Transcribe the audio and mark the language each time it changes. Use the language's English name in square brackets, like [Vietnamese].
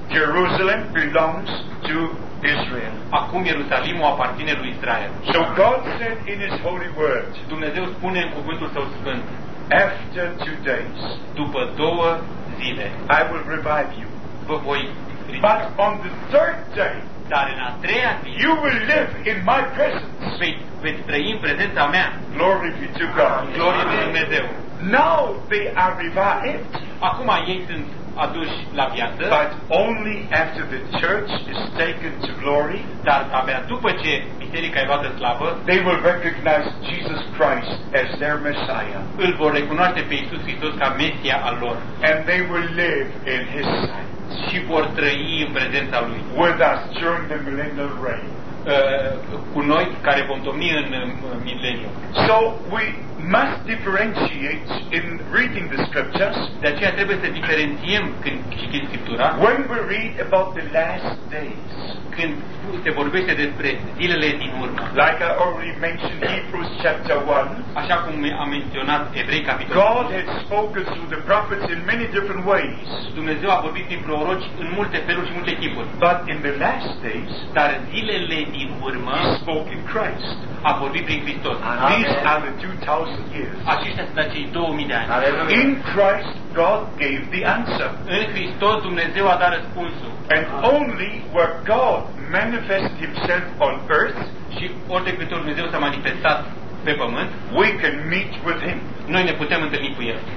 [English] Jerusalem belongs to Israel. [Romanian] Acum Ierusalimul aparține lui Israel. [English] So God said in His holy word. [Romanian] Dumnezeu spune în cuvântul Său sfânt. [English] After 2 days. [Romanian] După 2 zile. [English] I will revive you. [Romanian] Vă voi ridica. [English] But on the third day. [Romanian] Dar în a treia zi. [English] You will live in my presence. [Romanian] Veți trăi în prezența mea. [English] Glory be to God. [Romanian] Glorie lui Dumnezeu. [English] Now they are revived. [Romanian] Acum ei sunt aduși la viață. [English] But only after the church is taken to glory. [Romanian] Dar abia după ce biserica e luată slavă, [English] they will recognize Jesus Christ as their Messiah. [Romanian] Îl vor recunoaște pe Iisus Hristos ca Mesia al lor. [English] And they will live in His sight. [Romanian] Și vor trăi în prezența Lui. [English] With us during the millennial reign. [Romanian] Cu noi care vom domni în mileniu. [English] So we must differentiate in reading the scriptures. [Romanian] De aceea trebuie să diferențiem când citim Scriptura. [English] When we read about the last days. [Romanian] Când se vorbește despre zilele din urmă. [English] Like I already mentioned Hebrews chapter 1. [Romanian] Așa cum am menționat Evrei capitolul. [English] God has spoken through the prophets in many different ways. [Romanian] Dumnezeu a vorbit prin proroci în multe feluri și multe tipuri. [English] But in the last days. [Romanian] Dar zilele din urmă. [English] He spoke in Christ. [Romanian] A vorbit prin Hristos. [English] These are the 2000 years. [Romanian] Aceștia sunt acei 2000 de ani. [English] In Christ God gave the answer. [Romanian] În Hristos Dumnezeu a dat răspunsul. [English] And only where God manifests Himself on earth, [Romanian] și ori de câte ori Dumnezeu s-a manifestat pe pământ, [English] we can meet with Him. [Romanian] Noi ne putem întâlni cu El.